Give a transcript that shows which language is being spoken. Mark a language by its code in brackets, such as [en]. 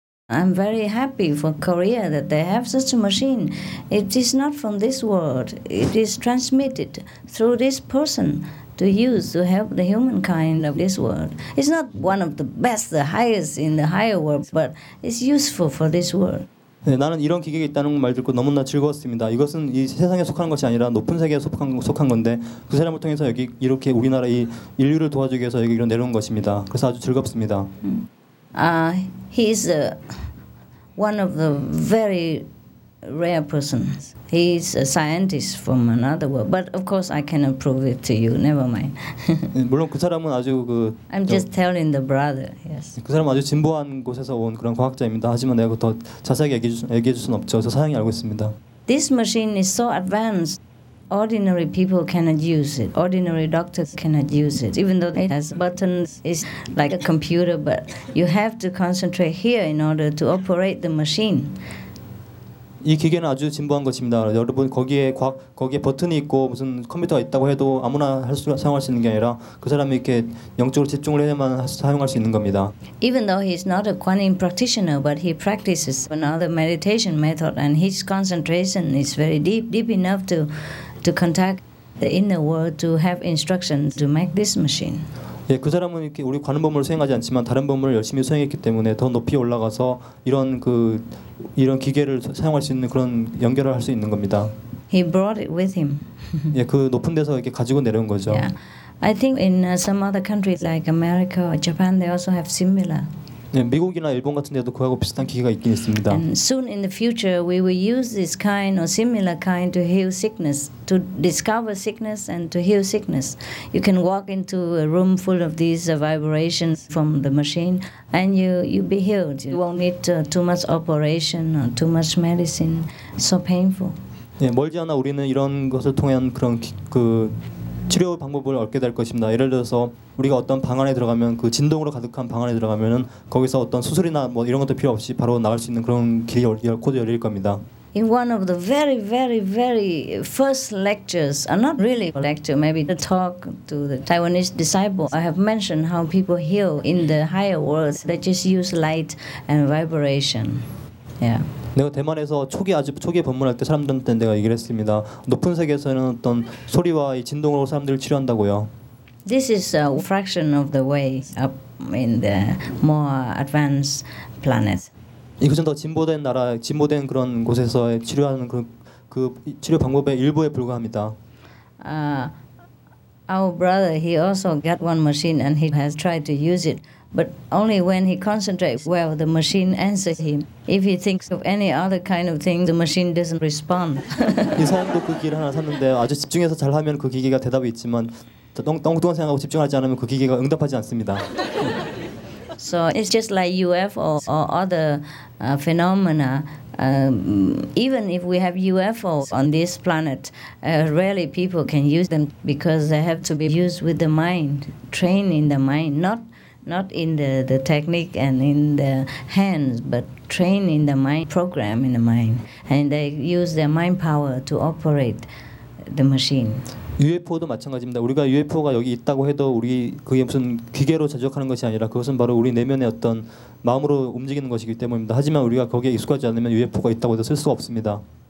[en] I'm very happy for Korea that they have such a machine. It is not from this world. It is transmitted through this person to use to help the humankind of this world. It's not one of the best, the highest in the higher world, but it's useful for this world. [ko] 네, 나는 이런 기계가 있다는 말 듣고 너무나 즐거웠습니다. 이것은 이 세상에 속한 것이 아니라 높은 세계에 속한 건데 그 사람을 통해서 여기 이렇게 우리나라 이 인류를 도와주기 위해서 여기 이런 내려온 것입니다. 그래서 아주 즐겁습니다. [en] He is one of the very rare persons. He is a scientist from another world. But of course, I cannot prove it to you. Never mind. [ko] 물론 그 사람은 아주 그 [en] I'm just telling the brother. Yes. [ko] 그 사람은 아주 진보한 곳에서 온 그런 과학자입니다. 하지만 내가 더 자세하게 얘기해 줄 수는 없죠. 그래서 사양이 알고 있습니다. [en] This machine is so advanced. Ordinary people cannot use it. Ordinary doctors cannot use it. Even though it has buttons, it's like a computer, but you have to concentrate here in order to operate the machine. [ko] 이 기계는 아주 진보한 것입니다. 여러분 거기에 거기에 버튼이 있고 무슨 컴퓨터가 있다고 해도 아무나 사용할 수 있는 게 아니라 그 사람이 이렇게 영적으로 집중을 해야만 사용할 수 있는 겁니다. [en] Even though he is not a Kuan Yin practitioner, but he practices another meditation method, and his concentration is very deep enough to contact the inner world to have instructions to make this machine. [ko] 예, 그 사람은 이렇게 우리 관음법을 수행하지 않지만 다른 법을 열심히 수행했기 때문에 더 높이 올라가서 이런 그 이런 기계를 사용할 수 있는 그런 연결을 할 수 있는 겁니다. [en] He brought it with him. [ko] 예, 그 높은 데서 이렇게 가지고 내려온 거죠. [en] Yeah. I think in some other countries like America or Japan they also have similar. [ko] 네, 미국이나 일본 같은 데도 그와 비슷한 기계가 있긴 있습니다. [en] And soon in the future we will use this kind or similar kind to heal sickness, to discover sickness and to heal sickness. You can walk into a room full of these vibrations from the machine and you be healed. You won't need too much operation or too much medicine. So painful. [ko] 네, 멀지 않아 우리는 이런 것을 통한 그런 그 치료 방법을 얻게 될 것입니다. 예를 들어서 우리가 어떤 방 안에 들어가면 그 진동으로 가득한 방 안에 들어가면은 거기서 어떤 수술이나 뭐 이런 것도 필요 없이 바로 나갈 수 있는 그런 길이 곧 열릴 겁니다. [en] In one of the very, very, very first lectures, not really a lecture, maybe the talk to the Taiwanese disciple, I have mentioned how people heal in the higher worlds. They just use light and vibration. Yeah. [ko] 내가 대만에서 초기 방문할 때 사람들한테 내가 얘기를 했습니다. 높은 세계에서는 어떤 소리와 이 진동으로 사람들을 치료한다고요. [en] This is a fraction of the way up in the more advanced planets. [ko] 이것은 더 진보된 나라, 진보된 그런 곳에서 치료하는 그 치료 방법의 일부에 불과합니다. [en] Our brother, he also got one machine and he has tried to use it. But only when he concentrates well, the machine answers him. If he thinks of any other kind of thing, the machine doesn't respond. [ko] 이 사람도 그 기계를 하나 샀는데 아주 집중해서 잘 하면 그 기계가 대답이 있지만 똥똥한 생각하고 집중하지 않으면 그 기계가 응답하지 않습니다. [en] So it's just like UFO or other phenomena. Even if we have UFO on this planet, rarely people can use them because they have to be used with the mind, trained in the mind, not in the technique and in the hands, but train in the mind, program in the mind. And they use their mind power to operate the machine. [ko] UFO도 마찬가지입니다. 우리가 UFO가 여기 있다고 해도 우리 그게 무슨 기계로 제작하는 것이 아니라 그것은 바로 우리 내면의 어떤 마음으로 움직이는 것이기 때문입니다. 하지만 우리가 거기에 익숙하지 않으면 UFO가 있다고 해도 쓸 수가 없습니다.